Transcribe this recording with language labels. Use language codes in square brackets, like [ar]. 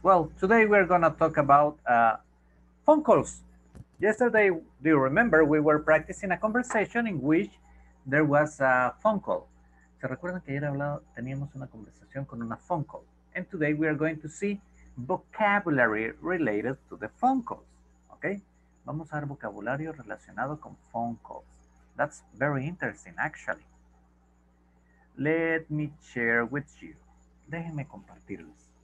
[en] Well, today we're going to talk about phone calls. Yesterday, do you remember, we were practicing a conversation in which there was a phone call. [es] ¿Se recuerdan que ayer teníamos una conversación con una phone call? [en] And today we are going to see vocabulary related to the phone calls. [es] Okay, vamos a ver vocabulario relacionado con phone calls. [en] That's very interesting, actually. Let me share with you. [es] Déjenme compartirles.